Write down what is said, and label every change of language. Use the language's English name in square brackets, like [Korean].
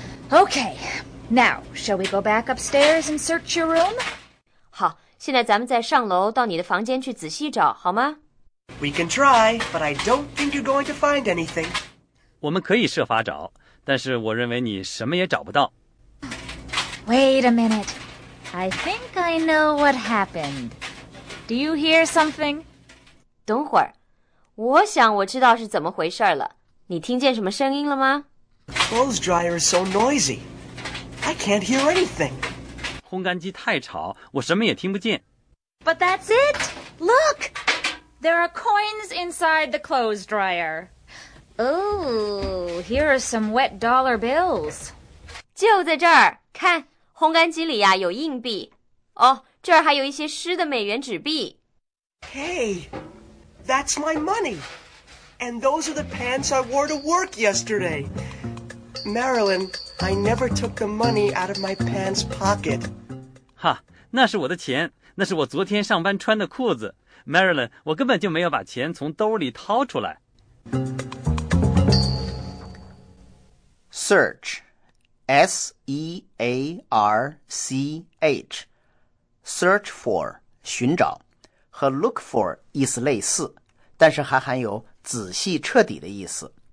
[English] Okay, now, shall we go back upstairs and search your room? [Chinese] 好，现在咱们再上楼到你的房间去仔细找，好吗？ [English] We can try, but I don't think you're going to find anything. [Chinese] 我们可以设法找，但是我认为你什么也找不到。 [English] Wait a minute. I think I know what happened. Do you hear something? [Chinese] 等会儿，我想我知道是怎么回事了。你听见什么声音了吗？ [English] Clothes dryer is so noisy. I can't hear anything. [Chinese] 烘干机太吵，我什么也听不见。 [English] But that's it. Look, there are coins inside the clothes dryer. Oh, here are some wet dollar bills. [Chinese] 就在这儿，看。烘干机里呀、啊、有硬币哦，这儿还有一些湿的美元纸币。 [English] Hey, that's my money, and those are the pants I wore to work yesterday. Marilyn, I never took the money out of my pants pocket. [Chinese] 哈，那是我的钱，那是我昨天上班穿的裤子。 Marilyn, 我根本就没有把钱从兜里掏出来。 Search. S-E-A-R-C-H Search for 寻找和 look for 意思类似，但是还含有仔细彻底的意思。